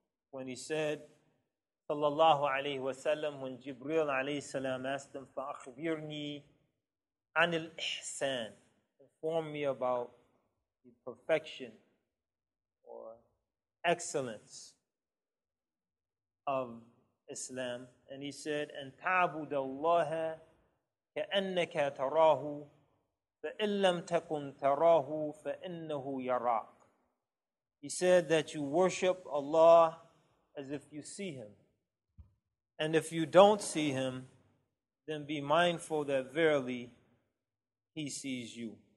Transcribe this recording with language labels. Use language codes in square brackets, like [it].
[en] When he said, sallallahu alayhi wa sallam, when Jibril alayhi salam asked him, [ar] فَأَخْبِرْنِي عَنِ الْإِحْسَانِ, [en] inform me about the perfection or excellence of Islam. And he said, [ar] أَنْ تَعْبُدَ اللَّهَ كَأَنَّكَ تَرَاهُ فَإِن لَمْ تَكُنْ تَرَاهُ فَإِنَّهُ يَرَاكُ. [en] He said that you worship Allah as if you see Him. And if you don't see Him, then be mindful that verily He sees you.